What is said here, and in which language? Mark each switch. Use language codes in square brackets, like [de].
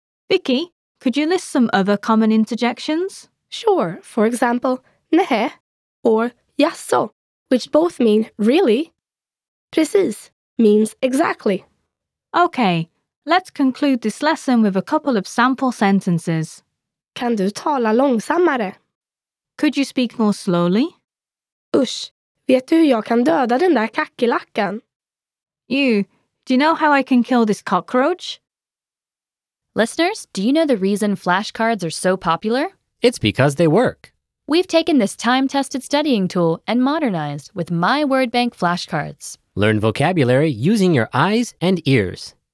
[en] Vicky, could you list some other common interjections? Sure. For example, nehe or jaså, which both mean really. Precis means exactly. Okay, let's conclude this lesson with a couple of sample sentences. [sv] Kan du tala långsammare? [en] Could you speak more slowly? [sv] Usch, vet du hur jag kan döda den där kackelackan? [en] You, do you know how I can kill this cockroach? Listeners, do you know the reason flashcards are so popular? It's because they work. We've taken this time-tested studying tool and modernized with My Word Bank flashcards. Learn vocabulary using your eyes and ears.